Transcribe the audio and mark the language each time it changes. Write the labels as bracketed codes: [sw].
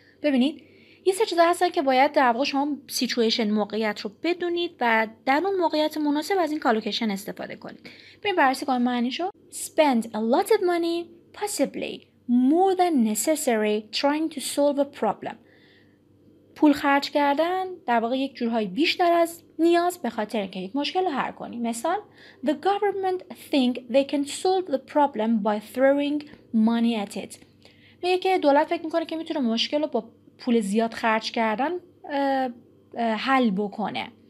[fa] ببینید یه سه چیزا هستن که باید در واقع شما سیچویشن موقعیت رو بدونید و در اون موقعیت مناسب از این کالوکیشن استفاده کنید. ببین بررسی کنیم معنیشو. [en] Spend a lot of money, possibly more than necessary, trying to solve a problem. [fa] پول خرج کردن در واقع یک جورهای بیشتر از نیاز به خاطر اینکه یک مشکل رو حل کنی. [en] مثال: The government think they can solve the problem by throwing money at it. [fa] میگه که دولت فکر میکنه که میتونه مشکل رو با پول زیاد خرج کردن حل بکنه.